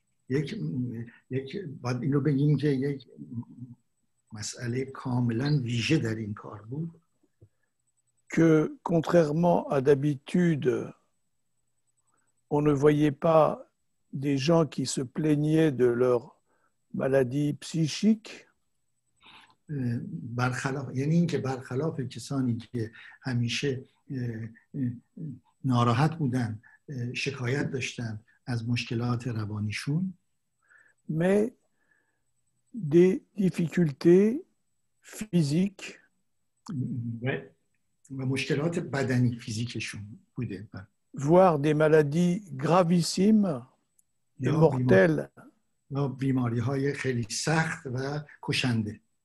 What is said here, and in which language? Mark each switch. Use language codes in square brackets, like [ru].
[fr] Que que, contrairement à d'habitude, on ne voyait pas des gens qui se plaignaient de leur maladie psychique. [fa] برخلاف یعنی اینکه برخلاف کسانی که همیشه ناراحت بودن شکایت داشتن از مشکلات روانیشون [fr] mais des difficultés physiques [fa] و مشکلات بدنی فیزیکشون بوده [fr] voire des maladies gravissimes et mortelles [fa] بیماری های خیلی سخت و کشنده